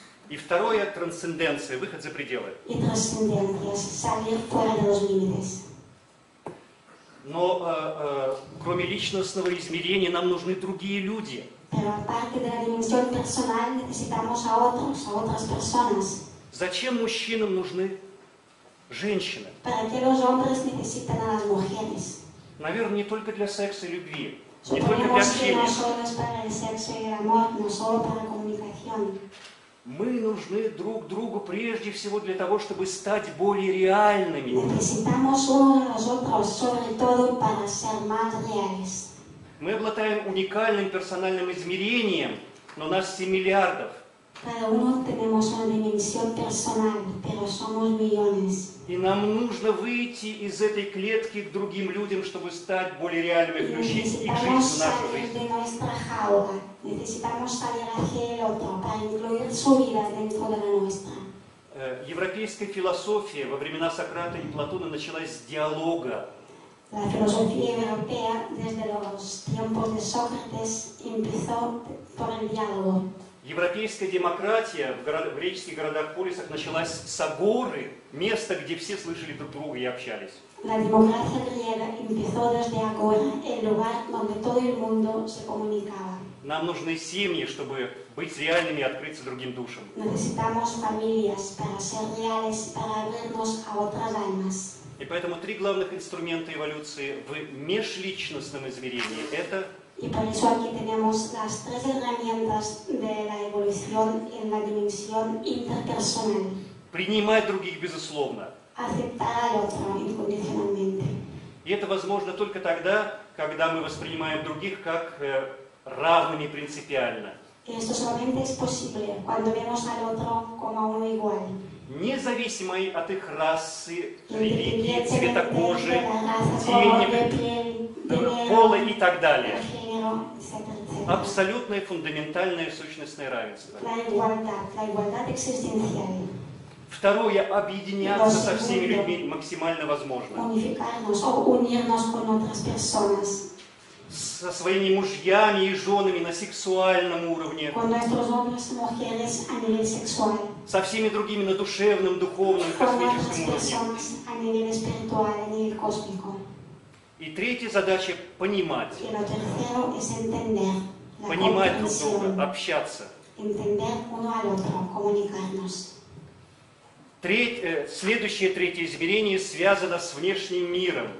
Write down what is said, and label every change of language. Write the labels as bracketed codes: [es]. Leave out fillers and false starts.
[ru] И второе – трансценденция, выход за пределы. [es] Y trascendencia, salir fuera de los límites. [ru] Но кроме личностного измерения нам нужны другие люди. [es] Pero aparte de la dimensión personal necesitamos a otros, a otras personas. [ru] Зачем мужчинам нужны женщины? [es] Para que los hombres necesitan a las mujeres. [ru] Наверное, не только для секса и любви. Не только для общения. [es] No solo es para el sexo y el amor, no solo para la comunicación. [ru] Мы нужны друг другу прежде всего для того, чтобы стать более реальными. [es] Necesitamos uno de los otros, sobre todo para ser más reales. [ru] Мы обладаем уникальным персональным измерением, но нас 7 миллиардов. [es] Cada uno tenemos una dimensión personal, pero somos millones. [ru] И нам нужно выйти из этой клетки к другим людям, чтобы стать более реальными, включить их жизнь в нашу жизнь. [es] Necesitamos salir de nuestra jaula. Necesitamos salir hacia el otro para incluir su vida dentro de la nuestra. [ru] Европейская философия во времена Сократа и Платона началась с диалога. [es] La filosofía europea desde los tiempos de Sócrates empezó por el diálogo. [ru] Европейская демократия в греческих городах-полисах началась с агоры, место, где все слышали друг друга и общались. [es] La democracia griega empezó desde agora, el lugar donde todo el mundo se comunicaba. [ru] Нам нужны семьи, чтобы быть реальными и открыться другим душам. [es] Necesitamos familias para ser reales, para abrirnos a otras almas. [ru] И поэтому три главных инструмента эволюции в межличностном измерении – это [es] Y por eso aquí tenemos las tres herramientas de la evolución en la dimensión interpersonal. [ru] Принимать других безусловно. [es] Aceptar al otro incondicionalmente. [ru] И это возможно только тогда, когда мы воспринимаем других как равными принципиально. [es] Esto solamente es posible cuando vemos al otro como a uno igual. [ru] Независимо от их расы, религии, цвета кожи, денег, пола и так далее. Абсолютное фундаментальное сущностное равенство. [es] La igualdad existencial. [ru] Второе, объединяться со всеми людьми максимально возможно. [es] Unificarnos o unirnos con otras personas. [ru] Со своими мужьями и женами на сексуальном уровне. [es] Con nuestros hombres y mujeres a nivel sexual. [ru] Со всеми другими на душевном, духовном, космическом уровне. [es] Con otras personas a nivel espiritual, a nivel cósmico. [ru] И третья задача – понимать. [es] Y lo tercero es entender, la [ru] понимать друг друга, общаться. [es] Entender uno al otro, comunicarnos. [ru] Следующее третье измерение связано с внешним миром.